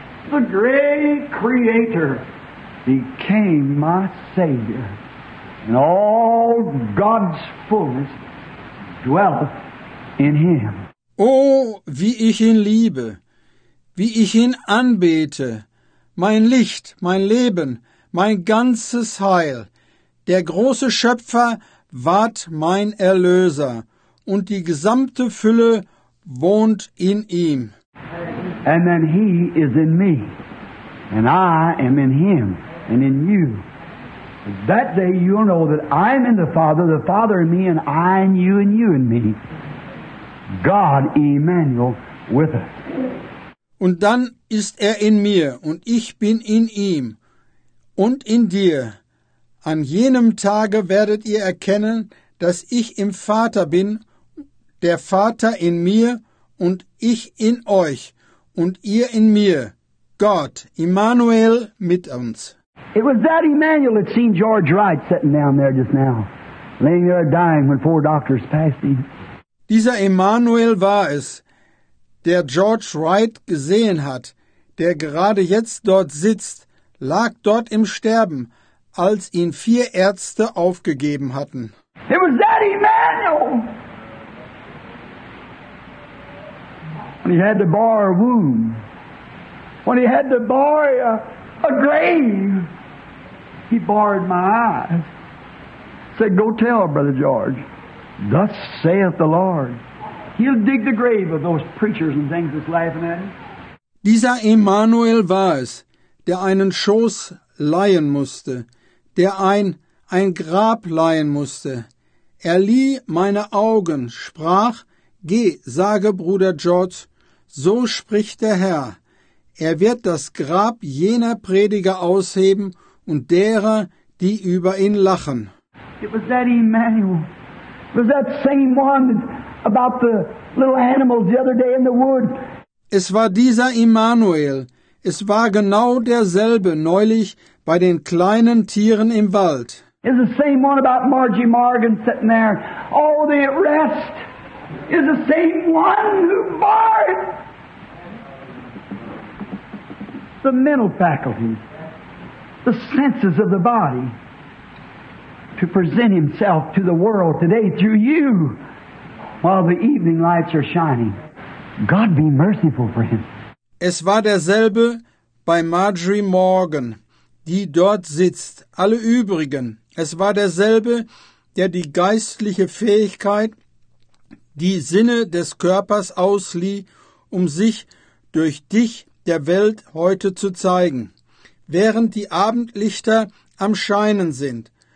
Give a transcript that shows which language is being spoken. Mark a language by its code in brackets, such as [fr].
[en] The great creator became my savior, and all God's fullness dwelleth in him. [de] Oh, wie ich ihn liebe, wie ich ihn anbete, mein Licht, mein Leben, mein ganzes Heil. Der große Schöpfer ward mein Erlöser, und die gesamte Fülle wohnt in ihm. [en] And then he is in me, and I am in him, and in you. That day you'll know that I am in the Father in me, and I in you, and you in me. God Emmanuel with us. [de] Und dann ist in mir, und ich bin in ihm, und in dir. An jenem Tage werdet ihr erkennen, dass ich im Vater bin, der Vater in mir und ich in euch und ihr in mir. Gott, Immanuel, mit uns. [en] It was that Immanuel that seen George Wright sitting down there just now, laying there dying when four doctors passed him. [de] Dieser Immanuel war es, der George Wright gesehen hat, der gerade jetzt dort sitzt, lag dort im Sterben, als ihn vier Ärzte aufgegeben hatten. [en] It was that Immanuel! When he had to bar a womb, when he had to bar a grave, he barred my eyes. Said, go tell Brother George, thus saith the Lord. He'll dig the grave of those preachers and things that's laughing at him. [de] Dieser Immanuel war es, der einen Schoß leihen musste, der ein Grab leihen musste. Lieh meine Augen, sprach, geh, sage Bruder George, so spricht der Herr, er wird das Grab jener Prediger ausheben und derer, die über ihn lachen. [en] It was that Immanuel. It was that same one about the little animals the other day in the wood. [de] Es war dieser Immanuel. Es war genau derselbe neulich bei den kleinen Tieren im Wald. [en] It's the same one about Margie Morgan sitting there. All the rest is the same one who barred the mental faculties, the senses of the body, to present himself to the world today through you while the evening lights are shining. God be merciful for him. [de] Es war derselbe bei Marjorie Morgan, die dort sitzt, alle übrigen. Es war derselbe, der die geistliche Fähigkeit, die Sinne des Körpers auslieh, um sich durch dich der Welt heute zu zeigen, während die Abendlichter am Scheinen sind.